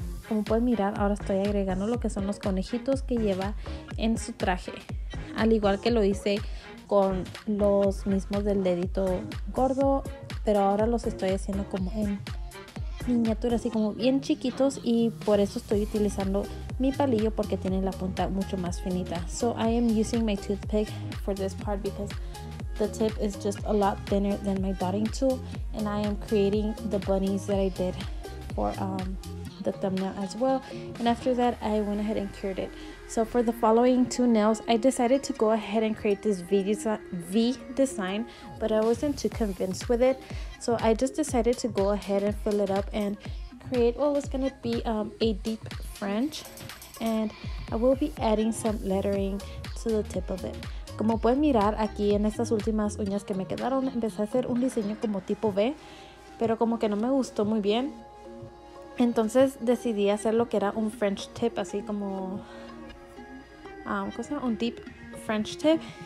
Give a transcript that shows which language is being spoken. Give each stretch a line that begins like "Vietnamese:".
Spanish: Como pueden mirar, ahora estoy agregando lo que son los conejitos que lleva en su traje, al igual que lo hice con los mismos del dedito gordo, pero ahora los estoy haciendo como en miniatura, así como bien chiquitos, y por eso estoy utilizando mi palillo porque tiene la punta mucho más finita.
English: So I am using my toothpick for this part because the tip is just a lot thinner than my dotting tool, and I am creating the bunnies that I did for the thumbnail as well, and after that I went ahead and cured it. So for the following two nails, I decided to go ahead and create this V design, but I wasn't too convinced with it, so I just decided to go ahead and fill it up and create what was going to be a deep French, and I will be adding some lettering to the tip of it.
Spanish: Como pueden mirar aquí en estas últimas uñas que me quedaron, empecé a hacer un diseño como tipo V, pero como que no me gustó muy bien. Entonces decidí hacer lo que era un French tip, así como un deep French tip.